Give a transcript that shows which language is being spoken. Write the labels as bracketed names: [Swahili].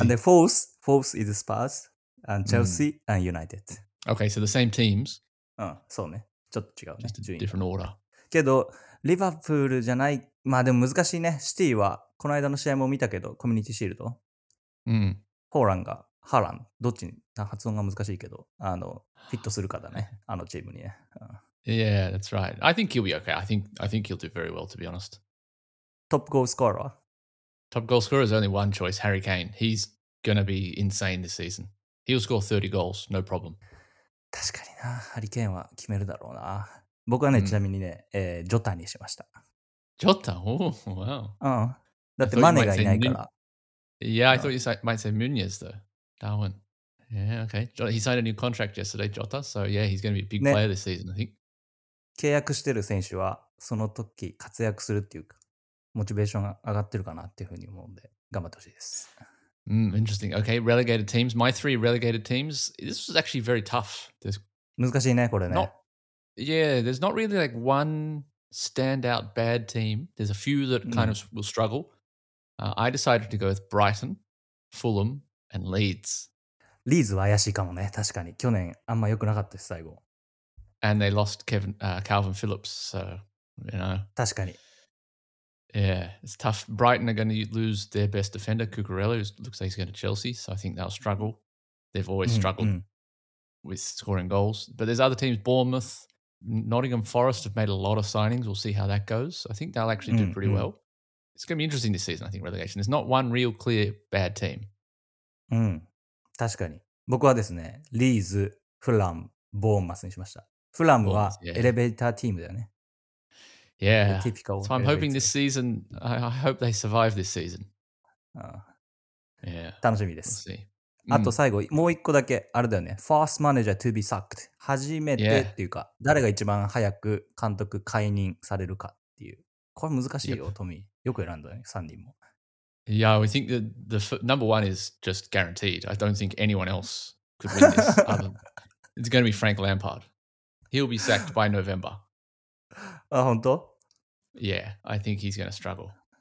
[English] And the fourth is Spurs, and Chelsea,and United. Okay, so the same teams. [Japanese] そうね。ちょっと違うね。 [English] Just a different order. [Japanese] けど、リバプールじゃない、まあでも難しいね。シティは、この間の試合も見たけど、コミュニティシールド。ホーランが。ハラン、どっちに発音が難しいけど、あのフィットするかだね、あのチームにね。 [English] Yeah, that's right. I think he'll be okay. I think he'll do very well, to be honest. Top goal scorer? Top goal scorer is only one choice, Harry Kane. He's gonna be insane this season. He'll score 30 goals, no problem. [Japanese] 確かにな、ハリケーンは決めるだろうな。僕はね、ちなみにね、ジョタにしました。ジョタ、おお、wow. だってマネがいないから。 [English] Yeah, I thought you might say Munoz though. Darwin. Yeah, okay. He signed a new contract yesterday, Jota. So, yeah, he's going to be a big player this season, I think. [Japanese] 契約してる選手は、その時活躍するっていうか、モチベーションが上がってるかなっていうふうに思うんで、頑張ってほしいです。 [English] Interesting. Okay, relegated teams. My three relegated teams. This was actually very tough. [Japanese] 難しいね、これね。 [English] Yeah, there's not really like one standout bad team. There's a few that kind of will struggle. I decided to go with Brighton, Fulham,And Leeds. [Japanese] Leeds は怪しいかもね。確かに。去年あんま良くなかったし、最後。 [English] And they lost Calvin Phillips, so, you know. [Japanese] 確かに。 [English] Yeah, it's tough. Brighton are going to lose their best defender, Cucurella, who looks like he's going to Chelsea, so I think they'll struggle. They've always struggled with scoring goals. But there's other teams, Bournemouth, Nottingham Forest have made a lot of signings. We'll see how that goes. I think they'll actually do pretty well. It's going to be interesting this season, I think, relegation. There's not one real clear bad team. [Japanese] 確かに。僕はですね、リーズ、フラム、ボーンマスにしました。フラムはエレベーターチームだよね。 [English] Yeah. Typical. So I'm hoping this season, I hope they survive this season. Yeah. [Japanese] 楽しみです。あと最後、もう一個だけあれだよね。 [English] First manager to be sacked. [Japanese] 初めてっていうか、誰が一番早く監督解任されるかっていう。これ難しいよ、トミー。よく選んだね、3人も。 [English] Yeah, we think that the number one is just guaranteed. I don't think anyone else could win this. It's going to be Frank Lampard. He'll be sacked by November. [Japanese] Honto? [English] Yeah, I think he's going to struggle.